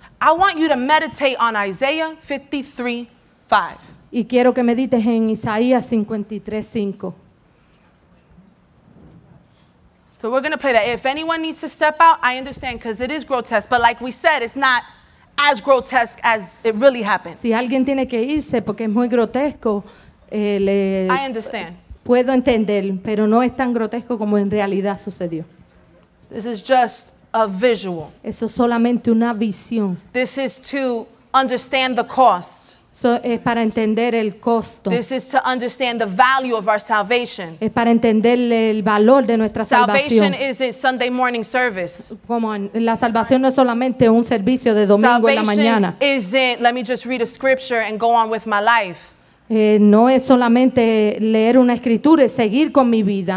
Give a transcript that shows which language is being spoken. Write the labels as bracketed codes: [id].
[en] I want you to meditate on Isaiah 53:5. [es] Y quiero que medites en Isaías 53:5. [en] So we're going to play that. If anyone needs to step out, I understand because it is grotesque. But like we said, it's not as grotesque as it really happened. [es] Si alguien tiene que irse porque es muy grotesco, [en] I understand. [es] Puedo entender, pero no es tan grotesco como en realidad sucedió. [en] This is just a visual. [es] Eso es solamente una visión. [en] This is to understand the cost. [es] So, es para entender el costo. [en] This is to understand the value of our salvation. [es] Es para entender el valor de nuestra salvación. [en] Salvation is a Sunday morning service. Come on. [es] La salvación no es solamente un servicio de domingo [en] salvation [es] en la mañana. [en] Isn't, let me just read a scripture and go on with my life. [es] No es solamente leer una escritura, es seguir con mi vida.